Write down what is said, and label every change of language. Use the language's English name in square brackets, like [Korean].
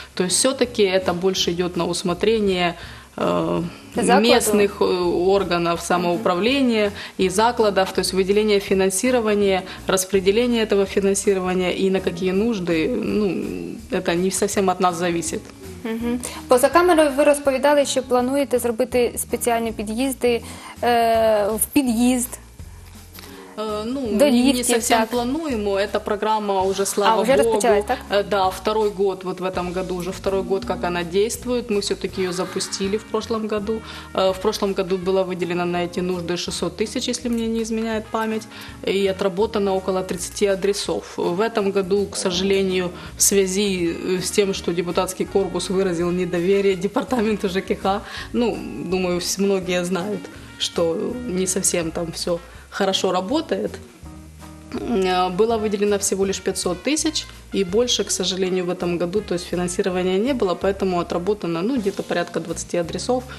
[Russian] То есть все-таки это больше идет на усмотрение местных органов самоуправления и закладов, то есть выделение финансирования, распределение этого финансирования и на какие нужды, ну, это не совсем от нас зависит. [Ukrainian] Поза камерою ви розповідали, що плануєте зробити спеціальні під'їзди в під'їзд. Ну, до ліфтів, [Russian] не совсем так. [Ukrainian] Плануємо. [Russian] Эта программа уже, слава Богу. А, уже Богу, [Ukrainian] розпочалась, так? [Russian] Да, второй год, вот в этом году уже второй год, как она действует. Мы все-таки ее запустили в прошлом году. В прошлом году было выделено на эти нужды 600 тысяч, если мне не изменяет память. И отработано около 30 адресов. В этом году, к сожалению, в связи с тем, что депутатский корпус выразил недоверие департаменту ЖКХ, ну, думаю, многие знают, что не совсем там все хорошо работает, было выделено всего лишь 500 тысяч, и больше, к сожалению, в этом году, то есть финансирования не было, поэтому отработано, ну, где-то порядка 20 адресов.